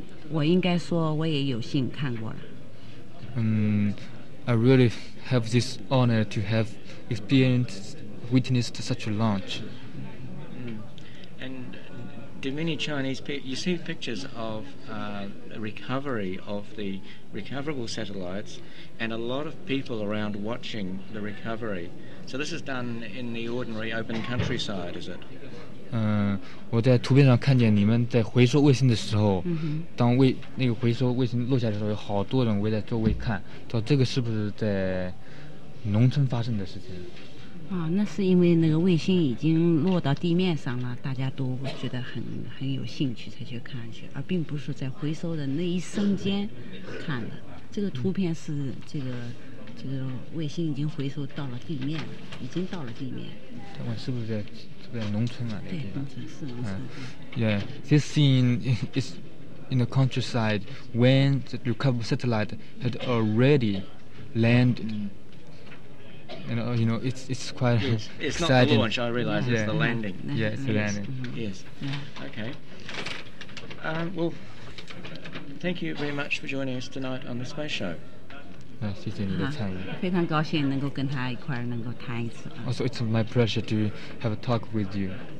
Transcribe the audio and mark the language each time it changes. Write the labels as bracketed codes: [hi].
[zh] 我应该说我也有幸看过了。 [en] I really have this honor to have experienced, witnessed such a launch. And do many Chinese people, you see pictures of recovery of the recoverable satellites and a lot of people around watching the recovery. So this is done in the ordinary open countryside, is it? [zh] 我在图片上看见你们在回收卫星的时候、 mm-hmm. 当那个回收卫星落下的时候有好多人围在周围看到这个是不是在农村发生的事情啊、哦，那是因为那个卫星已经落到地面上了大家都觉得很有兴趣才去看去而并不是在回收的那一瞬间看的这个图片是这个卫星已经回收到了地面了已经到了地面台湾是不是在这边农村啊对农村是农村、 [en] yeah, this scene is in the countryside when the recovered satellite had already landed、mm-hmm. You know, it's quite yes, it's exciting. It's not the launch, I realise, yeah. it's the landing. Yeah, it's the landing. Yes. Okay. Well, thank you very much for joining us tonight on the Space Show. [zh] 谢谢你的参与。非常高兴能够跟他一块儿能够谈一次。 [en] Also, it's my pleasure to have a talk with you.